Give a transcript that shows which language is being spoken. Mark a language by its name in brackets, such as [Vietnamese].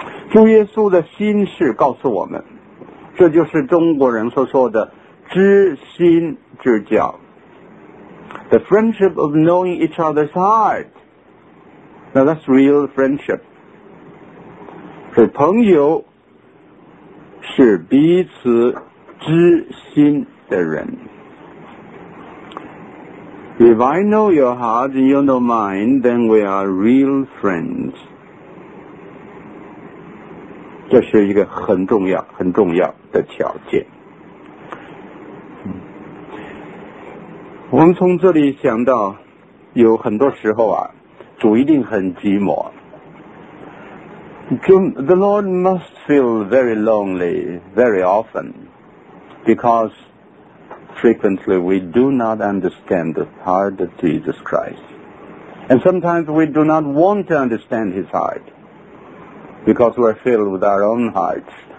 [Chinese] 主耶稣的心事告诉我们，这就是中国人所说的知心之交， [English] The friendship of knowing each other's heart. Now that's real friendship. [Chinese] 所以朋友是彼此知心的人。 [English] If I know your heart and you know mine, then we are real friends. [Chinese] 这是一个很重要、很重要的条件。我们从这里想到，有很多时候啊，主一定很寂寞。 [English] The Lord must feel very lonely very often because frequently we do not understand the heart of Jesus Christ. And sometimes we do not want to understand His heart because we are filled with our own hearts.